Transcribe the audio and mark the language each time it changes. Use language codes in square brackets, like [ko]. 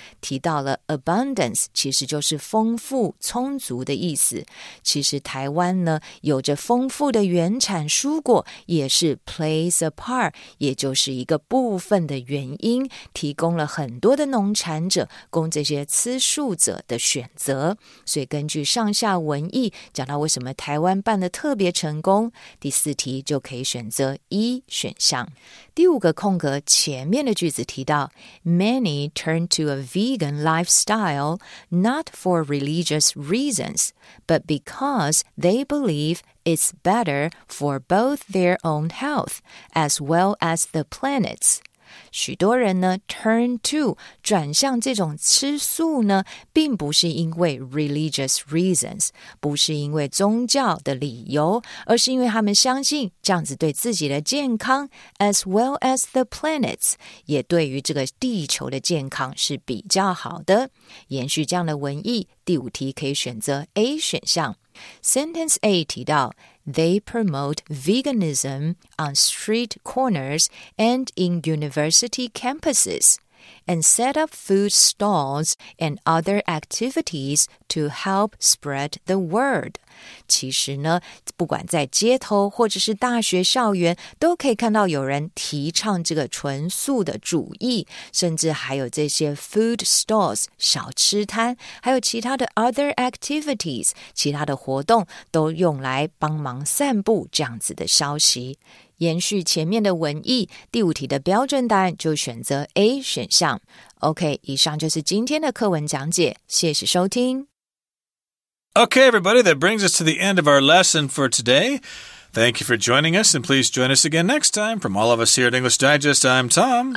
[zh] 提到了 abundance 其实就是丰富充足的意思，其实台湾呢有着丰富的原产蔬果也是 [en] plays a part [zh] 也就是一个部分的原因，提供了很多的农产者供这些吃素者的选择。所以根据上下文意讲到为什么台湾办得特别成功，第四题就可以选择 E 选项。第五个空格前面的句子提到 [en] Many turn to a vegan lifestyle not for religious reasons, but because they believe it's better for both their own health as well as the planet's. [zh] 许多人呢 [en] turn to [zh] 转向这种吃素呢，并不是因为 [en] religious reasons， [zh] 不是因为宗教的理由，而是因为他们相信这样子对自己的健康 [en] as well as the planet's [zh] 也对于这个地球的健康是比较好的。延续这样的文意，第五题可以选择 A 选项。 [en] Sentence A [zh] 提到 [en] They promote veganism on street corners and in university campuses, and set up food stalls and other activities to help spread the word. [zh] 其实呢不管在街头或者是大学校园都可以看到有人提倡这个纯素的主义，甚至还有这些 [en] food stalls [zh] 小吃摊，还有其他的 [en] other activities [zh] 其他的活动都用来帮忙散布这样子的消息。延续前面的文意，第五题的标准答案就选择 A 选项。 OK， 以上就是今天的课文讲解，谢谢收听。 [en] Okay, everybody, that brings us to the end of our lesson for today. Thank you for joining us, and please join us again next time. From all of us here at English Digest, I'm Tom.